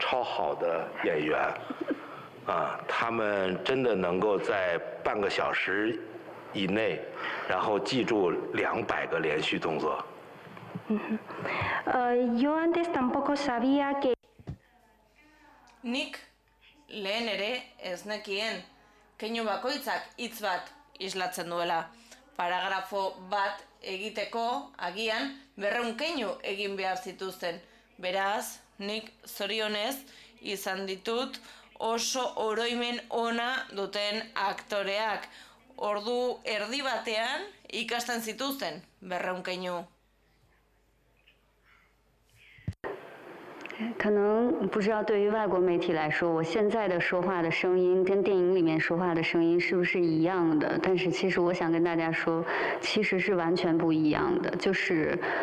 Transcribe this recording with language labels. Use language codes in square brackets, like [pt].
[zh] 因为手语这个东西，我是接触了之后，我才知道它每一个动作它只代表一个字，但是所以呢，如果它要是连续的一段话之后呢，它也许要记连续的200个动作以上，我很庆幸我碰到了两个，就是记忆力超好的演员。他们真的能够在半个小时以内，然后记住200个连续动作。 [es] Yo antes tampoco sabía que [eu] Nik lehen ere ez nekien keinu bakoitzak hitz bat islatzen duela. Paragrafo bat egiteko agian 200 keinu egin behar zituzten. Beraz, nik zorionez izan ditut oso oroimen ona duten aktoreak. Ordu erdi batean ikasten zituzten 200 keinu. [zh] 可能不知道对于外国媒体来说，我现在的说话的声音跟电影里面说话的声音是不是一样的？但是其实我想跟大家说，其实是完全不一样的，就是。